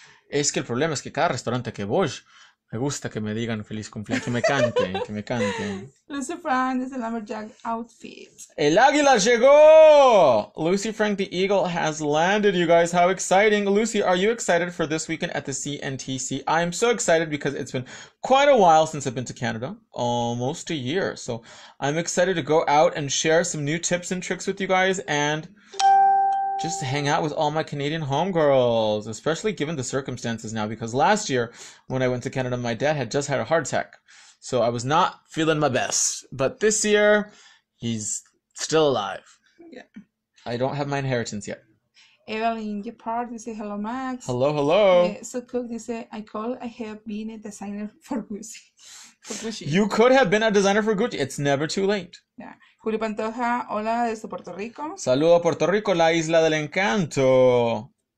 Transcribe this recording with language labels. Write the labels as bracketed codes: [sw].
[es] Es que el problema es que cada restaurante que voy, me gusta que me digan feliz cumpleaños, que me canten, que me canten. [en] Lucy Frank is a lumberjack outfit. [es] El águila llegó! [en] Lucy Frank, the eagle has landed, you guys. How exciting. Lucy, are you excited for this weekend at the CNTC? I am so excited because it's been quite a while since I've been to Canada. Almost a year. So I'm excited to go out and share some new tips and tricks with you guys and just hang out with all my Canadian homegirls, especially given the circumstances now, because last year when I went to Canada, my dad had just had a heart attack, so I was not feeling my best. But this year, he's still alive. Yeah. I don't have my inheritance yet. Evelyn, your part, you say hello, Max. Hello, hello. So cook, you say, I have been a designer for Gucci. You could have been a designer for Gucci. It's never too late. [es] Yeah. Julio Pantoja, hola desde Puerto Rico. Saludo a Puerto Rico, la isla del encanto.